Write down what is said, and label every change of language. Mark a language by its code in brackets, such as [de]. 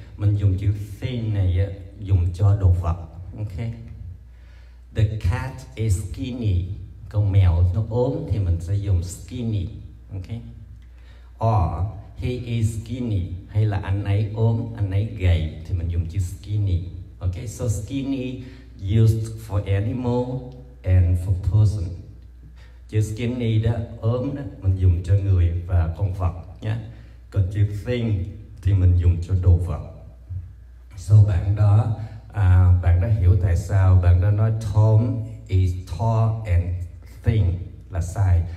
[vi] Mình dùng chữ thin này dùng cho đồ vật. [en] Okay, the cat is skinny. [vi] Con mèo nó ốm thì mình sẽ dùng skinny. [en] Okay, or he is skinny, [vi] hay là anh ấy ốm, anh ấy gầy thì mình dùng chữ skinny. [en] Okay, so skinny used for animal and for person. [vi] Chữ skinny đó, ốm đó, mình dùng cho người và con vật nhé. Còn chữ thin thì mình dùng cho đồ vật. So bạn đó hiểu tại sao bạn đó nói [en] Tom is tall and thin [vi] là sai.